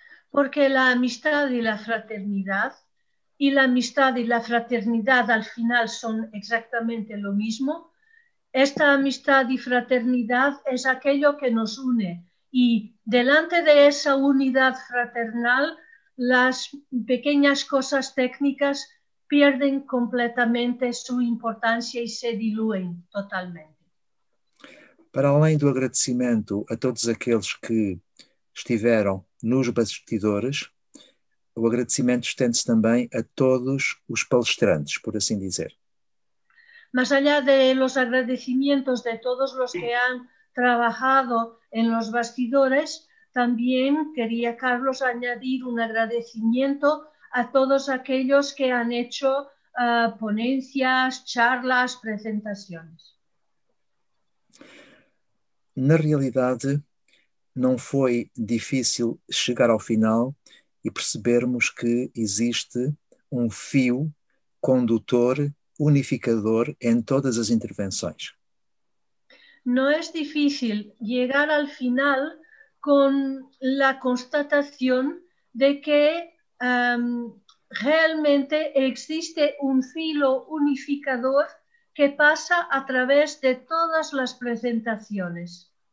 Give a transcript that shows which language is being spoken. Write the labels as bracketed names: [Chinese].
[Spanish] Porque la amistad y la fraternidad, y la amistad y la fraternidad al final son exactamente lo mismo, esta amistad y fraternidad es aquello que nos une. Y delante de esa unidad fraternal, las pequeñas cosas técnicas pierden completamente su importancia y se diluyen totalmente. [Portuguese] Para além do agradecimento a todos aqueles que estiveram nos bastidores, o agradecimento estende-se também a todos os palestrantes, por assim dizer. [Spanish] Más allá de los agradecimientos de todos los que han trabajado en los bastidores, también quería, Carlos, añadir un agradecimiento a todos aquellos que han hecho ponencias, charlas, presentaciones. [Portuguese] Na realidade, não foi difícil chegar ao final e percebermos que existe um fio condutor unificador em todas as intervenções. Não é difícil chegar ao final com a constatação de que realmente existe um fio unificador que passa através de todas as apresentações.